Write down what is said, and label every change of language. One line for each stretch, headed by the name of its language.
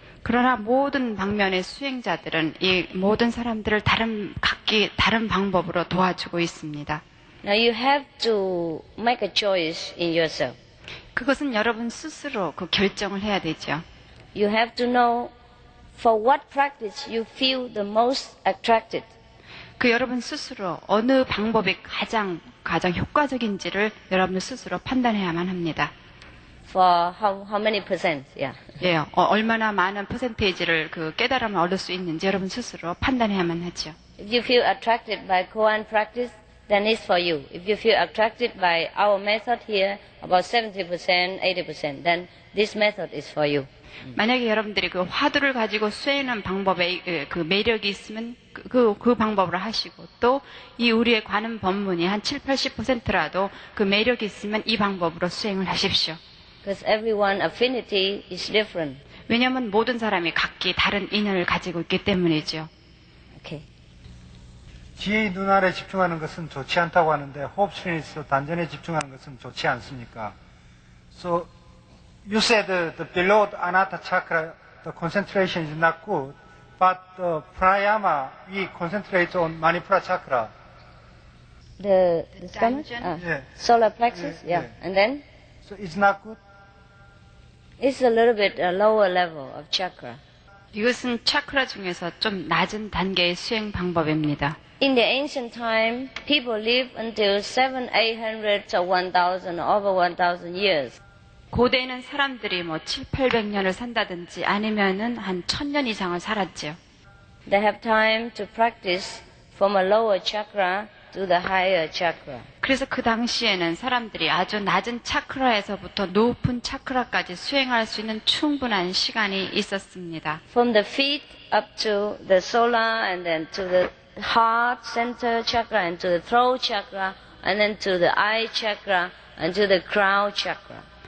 Korean: 그러나 모든 방면의 수행자들은 이 모든 사람들을 각기 다른 방법으로 도와주고 있습니다.
English: Now you have to make a choice in yourself.
Korean: 그것은 여러분 스스로 그 결정을 해야 되죠.
English: You have to know for what practice you feel the most attracted.
Korean: 그 여러분 스스로 어느 방법이 가장 효과적인지를 여러분 스스로 판단해야만 합니다.
English: For how many percent? Yeah.
Korean: 예, 얼마나 많은 퍼센테이지를 그 깨달음을 얻을 수 있는지 여러분 스스로 판단해야만 하죠.
English: If you feel attracted by Koan practice, then it's for you. If you feel attracted by our method here, about 70%, 80%, then this method is for you.
Korean: 만약에 여러분들이 그 화두를 가지고 쇠는 방법에 그 매력이 있으면 그 방법으로 하시고 또 이 우리의 관음 법문이 한 7, 80%라도 그 매력이 있으면 이 방법으로 수행을 하십시오.
English: Because everyone's affinity is different.
Korean: 왜냐하면 모든 사람이 각기 다른 인연을 가지고 있기 때문이죠. 지혜의 눈알에 집중하는 것은 좋지 않다고 하는데 호흡신에서 단전에 집중하는 것은 좋지 않습니까?
English: So you said the below the anatta chakra the concentration is not good, but the pranayama we concentrate on manipura chakra. The stomach? Yeah. Solar plexus? Yeah. Yeah. And then? So it's not good? It's a little bit a lower level of chakra.
Korean: 이것은 차크라 중에서 좀 낮은 단계의 수행 방법입니다.
English: In the ancient time, people lived until 700, 800, or 1,000, over 1,000 years.
Korean: 고대에는 사람들이 뭐 7, 800년을 산다든지 아니면은 한 1,000년 이상을 살았지요.
English: They have time to practice from a lower chakra to the higher chakra.
Korean: 그래서 그 당시에는 사람들이 아주 낮은 차크라에서부터 높은 차크라까지 수행할 수 있는 충분한 시간이 있었습니다.
English: From the feet up to the solar and then to the heart center chakra and to the throat chakra and then to the eye chakra and to the crown chakra.